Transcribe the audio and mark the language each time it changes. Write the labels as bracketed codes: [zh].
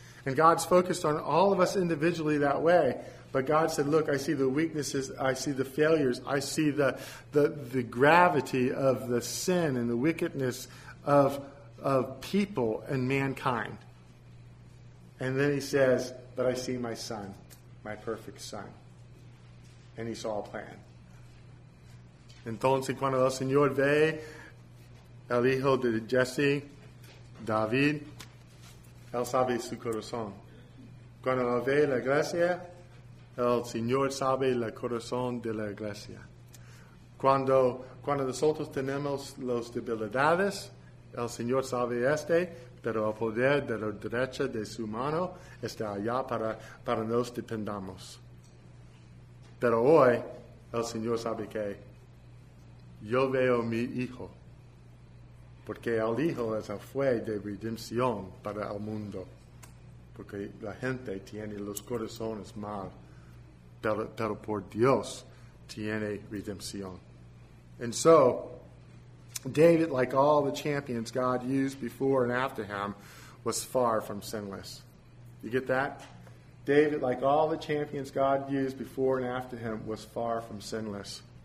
[en] And God's focused on all of us individually that way. But God said, look, I see the weaknesses, I see the failures, I see the gravity of the sin and the wickedness of people and mankind. And then he says, but I see my son, my perfect son. And he saw a plan. [es] Entonces, cuando el Señor ve el hijo de Jesse, David, él sabe su corazón. Cuando él ve la iglesia, el Señor sabe el corazón de la iglesia. Cuando nosotros tenemos las debilidades, el Señor sabe este, pero el poder de la derecha de su mano está allá para nos dependamos. Pero hoy, el Señor sabe que yo veo mi hijo, porque el hijo es la fuente de redención para el mundo, porque la gente tiene los corazones mal, pero por Dios tiene redención. [en] And so, David, like all the champions God used before and after him, was far from sinless. You get that? David, like all the champions God used before and after him, was far from sinless.